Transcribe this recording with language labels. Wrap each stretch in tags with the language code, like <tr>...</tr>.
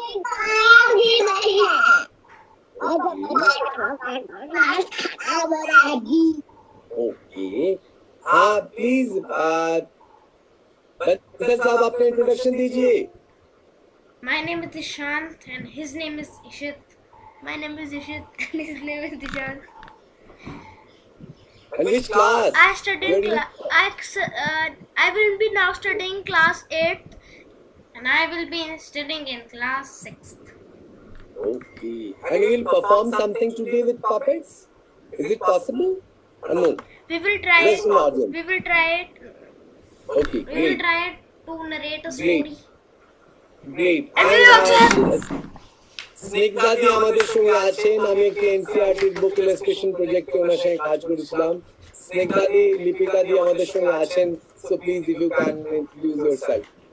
<hi>हाँ प्लीज साहब, आपने इंट्रोडक्शन दीजिए।</hi> <en>My name is Ishant and his name is Ishit. My name is Ishit and his name is Dishant. Which class I study in? Class I I will be now studying class 8th and I will be studying in class 6th. Okay. And you will perform something today with puppets? Is it possible? No. We will try it. We will try it. Okay. We will try it to narrate a story. Great. Great. And we will also have.</en> <bn>স্নিগ্ধাদি আমাদের সঙ্গে আছেন, আমি একটি NCERT বুক illustration প্রজেক্টে ওনার সঙ্গে কাজ করেছিলাম। স্নিগ্ধাদি লিপিকাদি আমাদের সঙ্গে আছেন,</bn> <en>So please if you can introduce yourself.</en>